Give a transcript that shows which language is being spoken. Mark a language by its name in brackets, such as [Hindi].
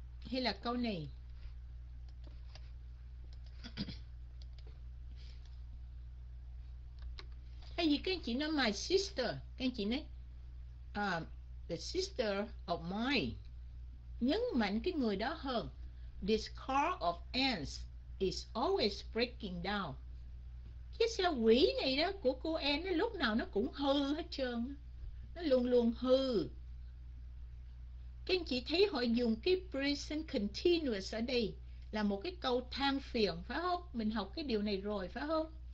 [Vietnamese] Hay là câu này, tại vì các anh chị nói [English] my sister, [Vietnamese] các anh chị nói [English] the sister of mine, [Vietnamese] nhấn mạnh cái người đó hơn. [English] This car of Anne's is always breaking down. [Vietnamese] Cái xe quỷ này đó của cô Anne nó lúc nào nó cũng hư hết trơn, nó luôn luôn hư. Các Các anh chị thấy họ dùng cái present continuous ở đây là một cái câu than phiền, phải không? Mình học cái điều này rồi, phải không?